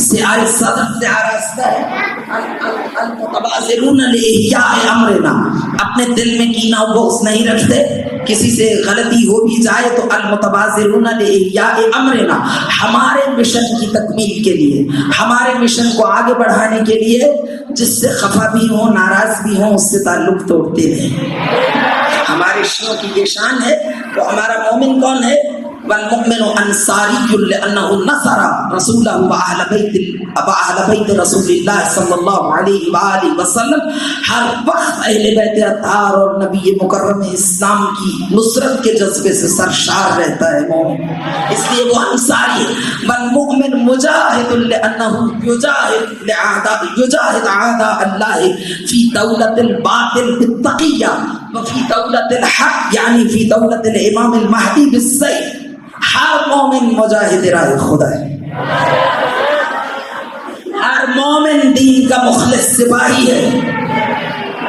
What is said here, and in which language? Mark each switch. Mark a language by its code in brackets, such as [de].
[ur] سیاہ صدر سے آراستہ ہے [ar] المتبازلون لاحیاء امرنا، [ur] اپنے دل میں کینا بغض نہیں رکھتے، کسی سے غلطی ہو بھی جائے تو المتبازلون لاحیاء امرنا، ہمارے مشن کی تکمیل کے لیے، ہمارے مشن کو آگے بڑھانے کے لیے، جس سے خفا بھی ہوں، ناراض بھی ہوں، اس سے تعلق توڑتے ہیں. ہمارے شیعوں کی یہ شان ہے. تو ہمارا مومن کون ہے؟ [ar] والمؤمن انصاری لانه نصر رسوله واهل بيت رسول الله صلى الله عليه واله وسلم. [ur] ہر وقت اہل بیت اطہار اور نبی مکرم اسلام کی نصرت کے جذبے سے سرشار رہتا ہے مومن، اس لیے وہ انصاری. [ar] والمؤمن مجاهد لانه يجاهد لاعداء اعداء الله في دوله الباطل بالتقيه وفي دوله الحق يعني في دوله الامام المهدي بالسيف. [ur] ہر مومن مجاہد راہ خدا ہے، ہر مومن دین کا مخلص سپاہی ہے.